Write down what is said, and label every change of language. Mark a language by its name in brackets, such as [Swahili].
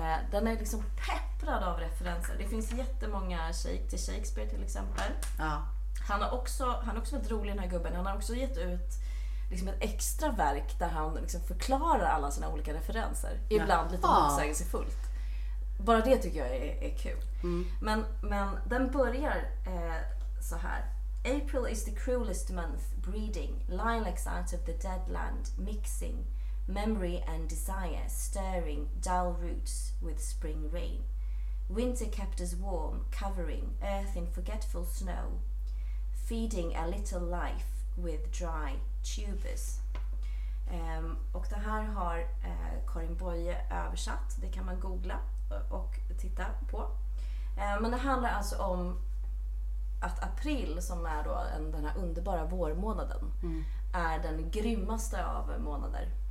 [Swedish] Den är liksom pepprad av referenser. Det finns jättemånga shake till Shakespeare till exempel. Ja. Han är också väldigt rolig, den här gubben. Han har också gett ut liksom ett extra verk där han liksom förklarar alla sina olika referenser. Ibland lite motsägelsefullt. Bara det tycker jag är kul. Men den börjar så här. [English] April is the cruelest month, breeding lilacs out of the dead land, mixing memory and desire, stirring dull roots with spring rain. Winter kept us warm, covering earth in forgetful snow, feeding a little life with dry tubers. [Swedish] Och det här har Karin Boye översatt. Det kan man googla och titta på. Men det handlar alltså om att april, som är då den här underbara vårmånaden, är den grymmaste av månader.